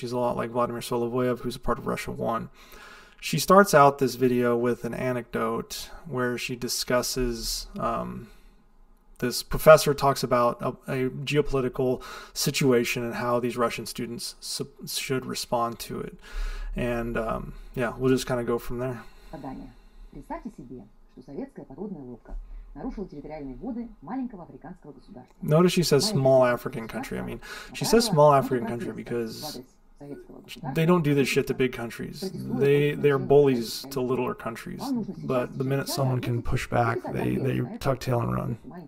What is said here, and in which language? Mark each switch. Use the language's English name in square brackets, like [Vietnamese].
[English] She's a lot like Vladimir Solovyov, who's a part of Russia One. She starts out this video with an anecdote where she discusses this professor talks about a geopolitical situation and how these Russian students should respond to it. And yeah, we'll just kind of go from there. [Russian] Задание. Представьте себе, что советская подводная лодка нарушила территориальные воды маленького африканского государства. [English] Notice she says small African country. I mean, she says small African country because they don't do this shit to big countries. They are bullies to littler countries. But the minute someone can push back, they tuck tail and run.